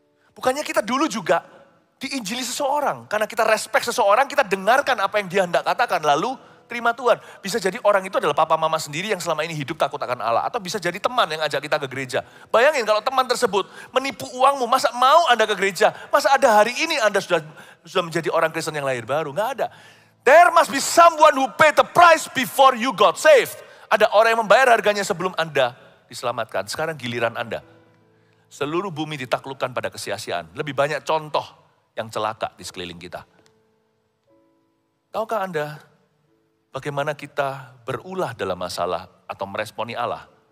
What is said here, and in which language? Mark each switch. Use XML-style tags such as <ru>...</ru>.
<id>Bukannya kita dulu juga diinjili seseorang. Karena kita respect seseorang, kita dengarkan apa yang dia hendak katakan, lalu terima Tuhan. Bisa jadi orang itu adalah papa mama sendiri yang selama ini hidup takut akan Allah. Atau bisa jadi teman yang ajak kita ke gereja. Bayangin kalau teman tersebut menipu uangmu, masa mau Anda ke gereja? Masa ada hari ini Anda sudah menjadi orang Kristen yang lahir baru? Gak ada.</id> <en>There must be someone who paid the price before you got saved.</en> <id>Ada orang yang membayar harganya sebelum Anda diselamatkan. Sekarang giliran Anda. Seluruh bumi ditaklukkan pada kesia-siaan. Lebih banyak contoh yang celaka di sekeliling kita. Tahukah Anda bagaimana kita berulah dalam masalah atau meresponi Allah?</id>